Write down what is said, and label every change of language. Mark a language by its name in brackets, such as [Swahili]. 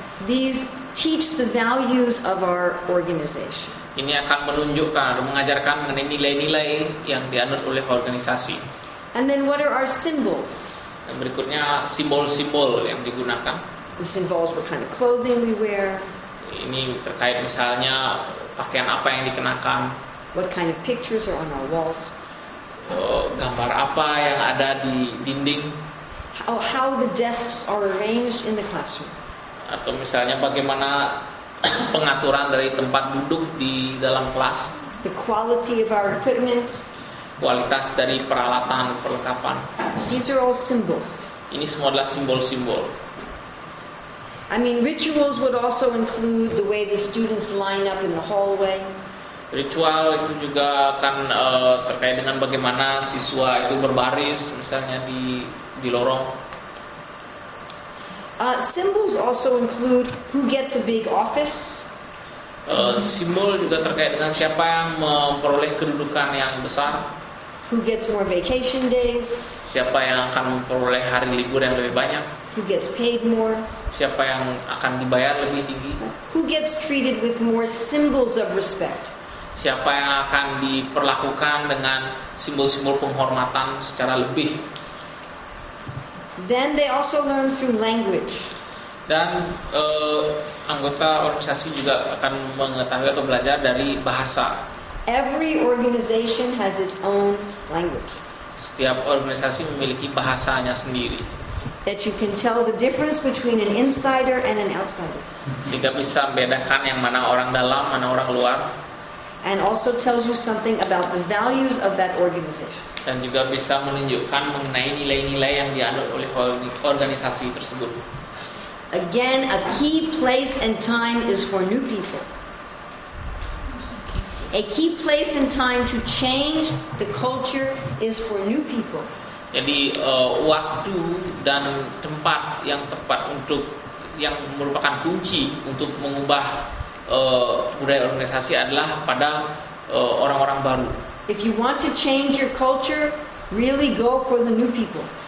[English] These teach the values of our organization. [Indonesian] Ini akan menunjukkan atau mengajarkan mengenai nilai-nilai yang dianut oleh organisasi. [English] And then what are our symbols? [Indonesian] Dan berikutnya simbol-simbol yang digunakan. [English] This involves what kind of clothing we wear. [Indonesian] Ini terkait misalnya pakaian apa yang dikenakan. [English] What kind of pictures are on our walls? [Indonesian] gambar apa yang ada di dinding. [English] Oh, how the desks are arranged in the classroom. [Indonesian] Atau misalnya bagaimana pengaturan dari tempat duduk di dalam kelas. [English] The quality of our equipment. [Indonesian] Kualitas dari peralatan perlengkapan. [English] These are all symbols. [Indonesian] Ini semua adalah simbol-simbol. [English] I mean, rituals would also include the way the students line up in the hallway. [Indonesian] Ritual itu juga akan terkait dengan bagaimana siswa itu berbaris misalnya di lorong. [English] Symbols also include who gets a big office. [Indonesian] Simbol juga terkait dengan siapa yang memperoleh kedudukan yang besar. [English] Who gets more vacation days? [Indonesian] Siapa yang akan memperoleh hari libur yang lebih banyak? [English] Who gets paid more? [Indonesian] Siapa yang akan dibayar lebih tinggi? [English] Who gets treated with more symbols of respect? [Indonesian] Siapa yang akan diperlakukan dengan simbol-simbol penghormatan secara lebih? [English] Then they also learn through language. [Indonesian] Dan anggota organisasi juga akan mengetahui atau belajar dari bahasa. [English] Every organization has its own language. [Indonesian] Setiap organisasi memiliki bahasanya sendiri. [English] That you can tell the difference between an insider and an outsider. [Indonesian] Sehingga bisa membedakan yang mana orang dalam, mana orang luar. [English] And also tells you something about the values of that organization. [Indonesian] Dan juga bisa menunjukkan mengenai nilai-nilai yang dianut oleh organisasi tersebut. [English] Again, a key place and time is for new people. A key place and time to change the culture is for new people. [Indonesian] Jadi waktu dan tempat yang tepat untuk yang merupakan kunci untuk mengubah budaya organisasi adalah pada orang-orang baru. [English] If you want to change your culture, really go for the new people.